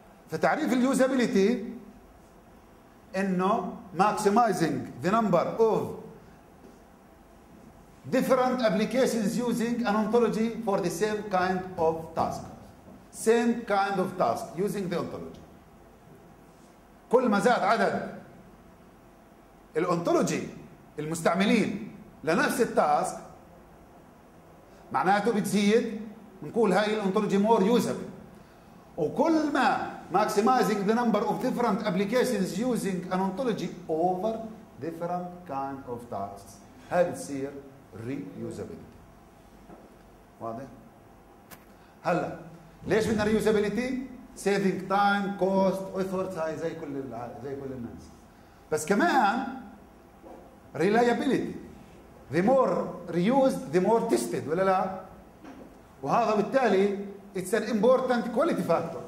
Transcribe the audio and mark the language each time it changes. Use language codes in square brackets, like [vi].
[ar] فتعريف اليوزابيليتي انه [en] Maximizing the number of different applications using an ontology for the same kind of task same kind of task using the ontology. [ar] كل ما زاد عدد الانطولوجي المستعملين لنفس التاسك معناته بتزيد نقول هاي الانطولوجي [en] more usable. [ar] وكل ما [en] maximizing the number of different applications using an ontology over different kind of tasks [ar] هاي بتصير [en] reusability. [ar] واضح؟ هلا ليش بدنا ريوزابيليتي؟ [en] saving time cost effort [ar] هاي زي كل الناس. بس كمان [en] reliability the more reused the more tested [ar] ولا لا؟ وهذا بالتالي [en] It's an important quality factor.